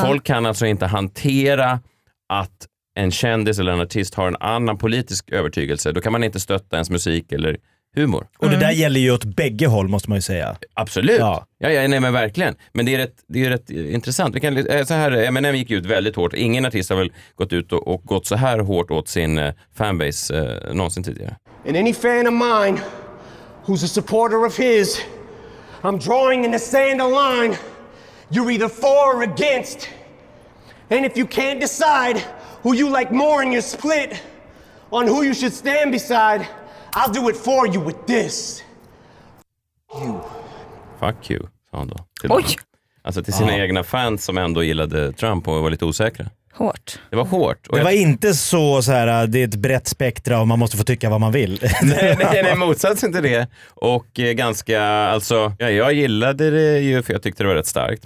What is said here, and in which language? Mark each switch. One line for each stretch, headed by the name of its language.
Swedish: Folk kan alltså inte hantera att en kändis eller en artist har en annan politisk övertygelse, då kan man inte stötta ens musik eller humor. Och det där gäller ju åt bägge håll, måste man ju säga. Absolut, ja, nej, men verkligen. Men det är rätt intressant. Vi kan, så här, Eminem gick ut väldigt hårt. Ingen artist har väl gått ut och gått så här hårt åt sin fanbase någonsin tidigare.
English: And any fan of mine who's a supporter of his, I'm drawing in the sand a line. You're either for or against. And if you can't decide who you like more in your split, on who you should stand beside, I'll do it for you with this. You. Fuck you,
Swedish: sa han då. Till, oj! Alltså till sina egna fans som ändå gillade Trump och var lite osäkra. Hårt. Det var hårt. Och det var inte så här, det är ett brett spektra och man måste få tycka vad man vill. Nej, motsatsen till det. Och ganska, alltså, ja, jag gillade det ju för jag tyckte det var rätt starkt.